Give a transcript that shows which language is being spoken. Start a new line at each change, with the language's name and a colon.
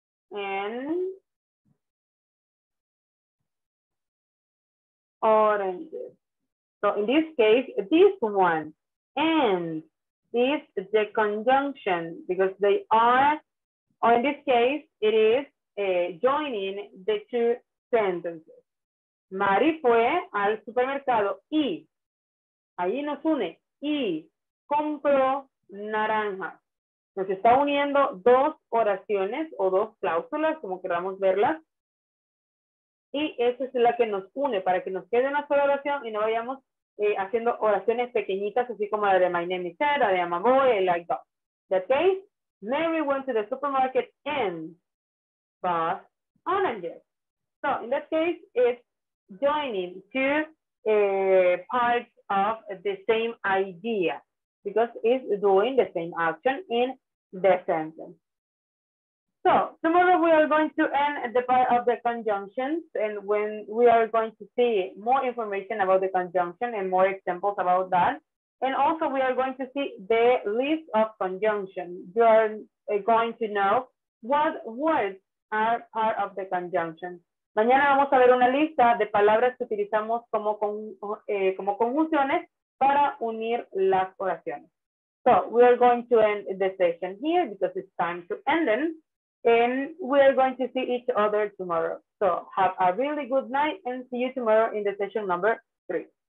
English: And oranges. So in this case, this one, and, is the conjunction because they are, or in this case, it is joining the two sentences.
Spanish: Mari fue al supermercado y, ahí nos une, y compró naranjas. Nos está uniendo dos oraciones o dos cláusulas, como queramos verlas. Y esa es la que nos une para que nos quede una sola oración y no vayamos haciendo oraciones pequeñitas, así como la de
English: my name is Sarah,
Spanish: de Amaboy,
English: like that. The case, Mary went to the supermarket and bought oranges. So in that case, it's joining two parts of the same idea because it's doing the same action in the sentence. So tomorrow we are going to end the part of the conjunctions, and when we are going to see more information about the conjunction and more examples about that. And also we are going to see the list of conjunctions. You are going to know what words are part of the conjunction.
Spanish: Mañana vamos a ver una lista de palabras que utilizamos como, como conjunciones para unir las oraciones.
English: So we are going to end the session here because it's time to end them. And we are going to see each other tomorrow. So have a really good night and see you tomorrow in the session number 3.